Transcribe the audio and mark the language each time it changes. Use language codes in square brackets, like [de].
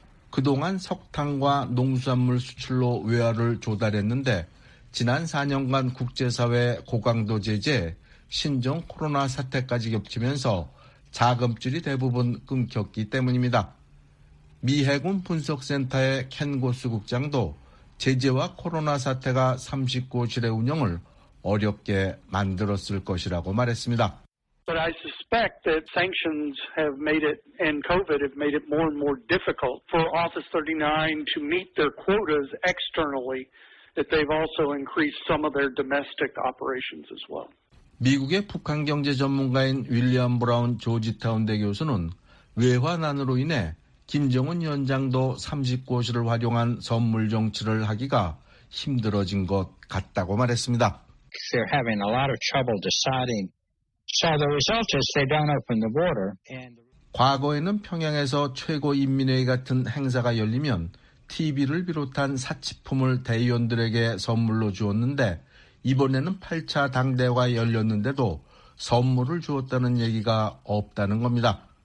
[ko] 그동안 석탄과 농수산물 수출로 외화를 조달했는데 지난 4년간 국제사회 고강도 제재, 신종 코로나 사태까지 겹치면서 자금줄이 대부분 끊겼기 때문입니다. 미 해군 분석센터의 켄고스 국장도 제재와 코로나 사태가 39호실의 운영을 어렵게 만들었을 것이라고 말했습니다. [en] But I suspect that sanctions have made it, and COVID have made it more and more difficult for Office 39 to meet their quotas externally, that they've also increased some of their domestic operations as well. [ko] 미국의 북한 경제 전문가인 윌리엄 브라운 조지타운 대교수는 외화난으로 인해 김정은 위원장도 30고시를 활용한 선물 정치를 하기가 힘들어진 것 같다고 말했습니다. [en] They're having a lot of trouble deciding. So the result is they don't open the border. [ko] 과거에는 평양에서 최고인민회의 같은 행사가 열리면 TV를 비롯한 사치품을 대의원들에게 선물로 주었는데 이번에는 8차 당대회가 열렸는데도 선물을 주었다는 얘기가 없다는 겁니다.